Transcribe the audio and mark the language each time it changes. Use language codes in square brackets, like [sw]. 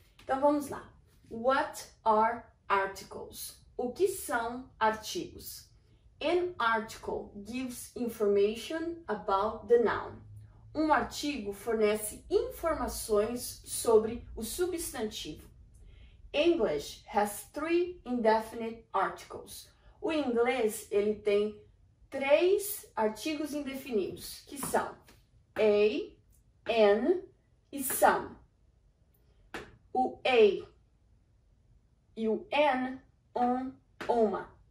[pt] Então vamos lá. [en] What are articles? [pt] O que são artigos? [en] An article gives information about the noun. [pt] Um artigo fornece informações sobre o substantivo. [en] English has three indefinite articles. [pt] O inglês, ele tem três artigos indefinidos, que são a, an e some. O a e o an, uma.